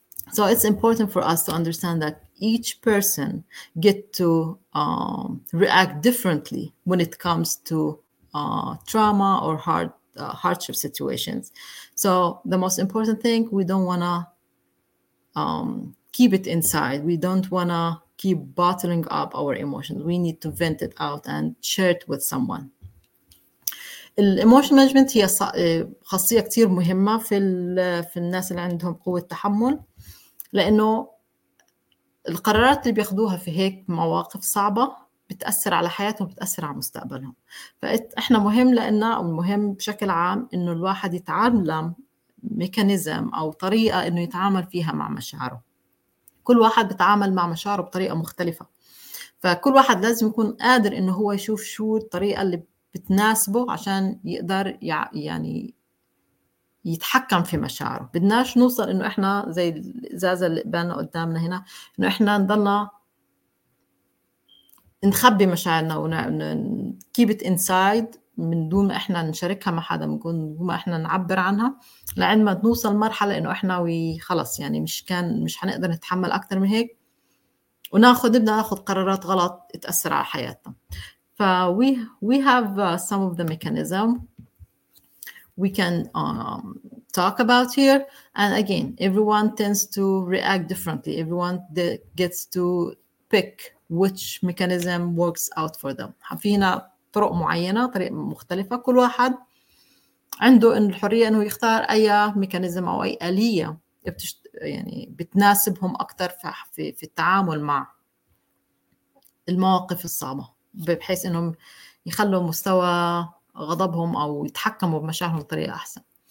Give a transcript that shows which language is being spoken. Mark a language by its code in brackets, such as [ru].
[en] So it's important for us to understand that each person get to react differently when it comes to trauma or hardship situations. So the most important thing, we don't want to keep it inside. We don't want to keep bottling up our emotions. We need to vent it out and share it with someone. [ar] الإيموشن مانجمنت هي خاصية كتير مهمة في الناس اللي عندهم قوة تحمل، لأنه القرارات اللي بياخدوها في هيك مواقف صعبة بتأثر على حياتهم، بتأثر على مستقبلهم. فإحنا مهم لأن المهم بشكل عام إنه الواحد يتعلم ميكانيزم أو طريقة إنه يتعامل فيها مع مشاعره. كل واحد بتعامل مع مشاعره بطريقة مختلفة، فكل واحد لازم يكون قادر إنه هو يشوف شو الطريقة اللي بتناسبه عشان يقدر يعني يتحكم في مشاعره. بدناش نوصل إنه إحنا زي الإزازة اللي بان قدامنا هنا، إنه إحنا نضلنا نخبي مشاعرنا [en] keep it inside [ar] من دون ما إحنا نشاركها مع حدا، من دون ما إحنا نعبر عنها، لعين ما نوصل مرحلة إنه إحنا وخلص يعني مش هنقدر نتحمل أكتر من هيك، ونأخذ قرارات غلط تأثر على حياتنا. [en] We have some of the mechanism we can talk about here. And again, everyone tends to react differently. Everyone gets to pick which mechanism works out for them. [ar] فينا طرق معينة، طريق مختلفة. كل واحد عنده الحرية إنه يختار أي mechanism أو أي آلية يعني بتناسبهم أكثر في التعامل مع المواقف الصعبة، بحيث انهم يخلوا مستوى غضبهم او يتحكموا بمشاعرهم بطريقه احسن.